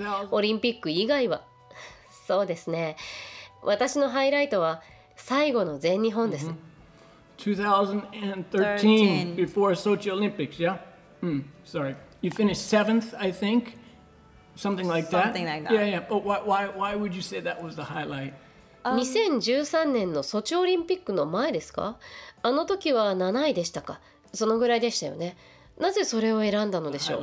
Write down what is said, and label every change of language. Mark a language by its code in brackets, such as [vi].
[ja] オリンピック以外は、そうですね。私のハイライトは最後の全日本です。 [en] 2013 before Sochi Olympics, yeah. Sorry, you finished seventh, I think, something like that. Yeah, but why would you say that was the highlight? [ja] 2013年のソチオリンピックの前ですか？あの時は7位でしたか？そのぐらいでしたよね。なぜそれを選んだのでしょう。